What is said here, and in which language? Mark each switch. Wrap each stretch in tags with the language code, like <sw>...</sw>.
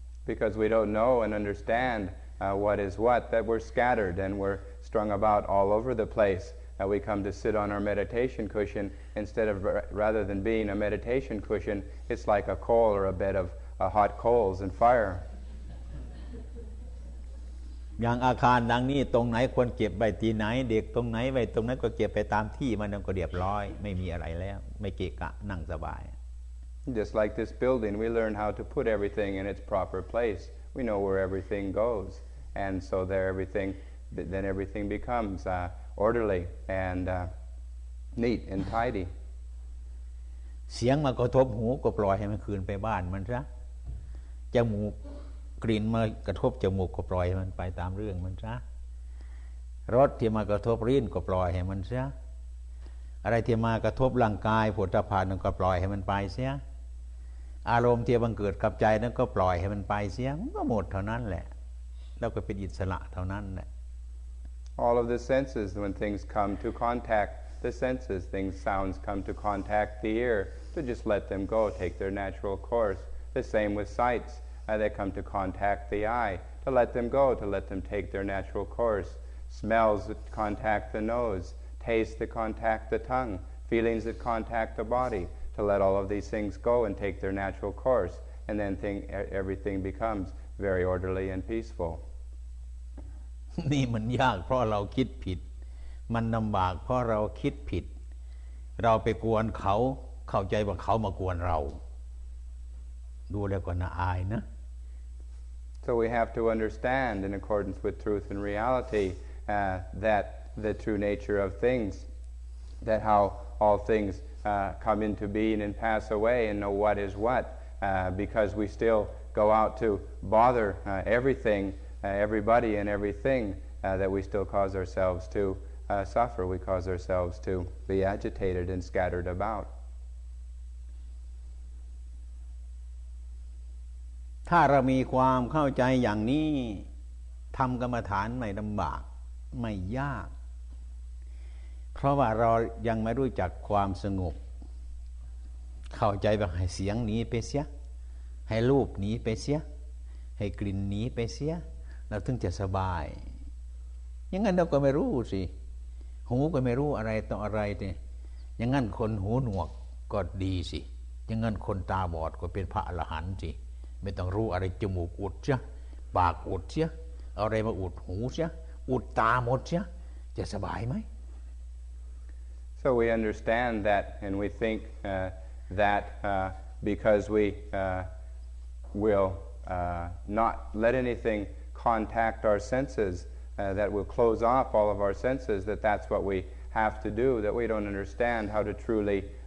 <en>Because we don't know and understand what is what that we're scattered and we're strung about all over the placeAnd we come to sit on our meditation cushion instead of rather than being a meditation cushion, it's like a coal or a bed of hot coals and fire.</en> <th>อย่างอาคารดังนี้ตรงไหนควรเก็บไว้ที่ไหนเด็กตรงไหนไว้ตรงนั้นก็เก็บไปตามที่มันก็เรียบร้อยไม่มีอะไรแล้วไม่เกะกะนั่งสบาย</th> <en>Just like this building we learn how to put everything in its proper place we know where everything goes and so there everything then everything becomes orderly and neat and tidy</en> <th>เสียงมากระทบหูก็ปล่อยให้มันคืนไปบ้านมันซะจมูกกลิ่นมากระทบจมูกก็ปล่อยมันไปตามเรื่องมันซะรสที่มากระทบลิ้นก็ปล่อยให้มันซะอะไรที่มากระทบร่างกายผัวตาผ่านก็ปล่อยให้มันไปเสียอารมณ์ที่บังเกิดกับใจนั้นก็ปล่อยให้มันไปเสียก็หมดเท่านั้นแหละแล้วก็เป็นอิสระเท่านั้นแหละ</th> <en>All of the senses when things come to contact the senses things sounds come to contact the ear to just let them go take their natural course the same with sightsthey come to contact the eye, to let them go, to let them take their natural course. Smells that contact the nose, tastes that contact the tongue, feelings that contact the body, to let all of these things go and take their natural course. And then everything becomes very orderly and peaceful.</en> <th>นี่มันยากเพราะเราคิดผิดมันลำบากเพราะเราคิดผิดเราไปกวนเขาเข้าใจว่าเขามากวนเราดูแล้วก็น่าอายนะ</th> <en>So we have to understand in accordance with truth and reality that the true nature of things that how all things come into being and pass away and know what is what because we still go out to bother everything everybody and everything that we still cause ourselves to suffer we cause ourselves to be agitated and scattered about</en> <th>ถ้าเรามีความเข้าใจอย่างนี้ทำกรรมฐานไม่ลำบากไม่ยากเพราะว่าเรายังไม่รู้จักความสงบเข้าใจว่าให้เสียงหนีไปเสียให้รูปหนีไปเสียให้กลิ่นหนีไปเสียเราถึงจะสบาย อย่างนั้นเราก็ไม่รู้สิหูก็ไม่รู้อะไรต่ออะไรเนี่ยอย่างนั้นคนหูหนวกก็ดีสิอย่างนั้นคนตาบอดก็เป็นพระอรหันต์สิไม่ต้องรู้อะไรจมูกอุดเสียปากอุดเสียอะไรมาอุดหูเสียอุดตาหมดเสียจะสบายไหม</th> <en>So we understand that and we think that because we will not let anything contact our senses that will close off all of our senses that that's what we have to do that we don't understand how to truly</en>